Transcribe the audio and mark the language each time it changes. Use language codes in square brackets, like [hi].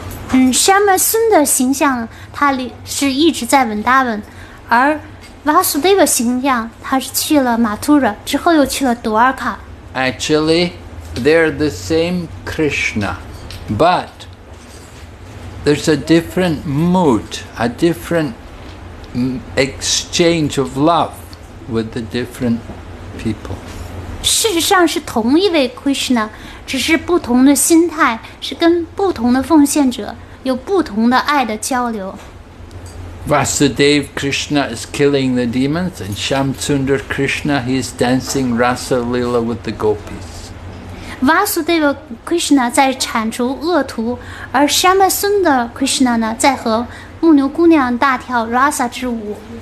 [zh] Shyama Sundar 形象他是一直在 Vrindavan, 而 Vasudeva 形象他是去了 Mathura, 之后又去了 Dwarka. [en] Actually, they're the same Krishna, but there's a different mood, a different exchange of love with the different people. [zh] 事实上是同一位 Krishna, 只是不同的心态，是跟不同的奉献者有不同的爱的交流。 [en] Vasudev Krishna is killing the demons, and Shyamasundar Krishna, he's dancing Rasa Lila with the gopis. [zh] Vasudev Krishna 在铲除恶徒，而 Shyamasundar Krishna 呢，在和牧牛姑娘大跳 Rasa 之舞。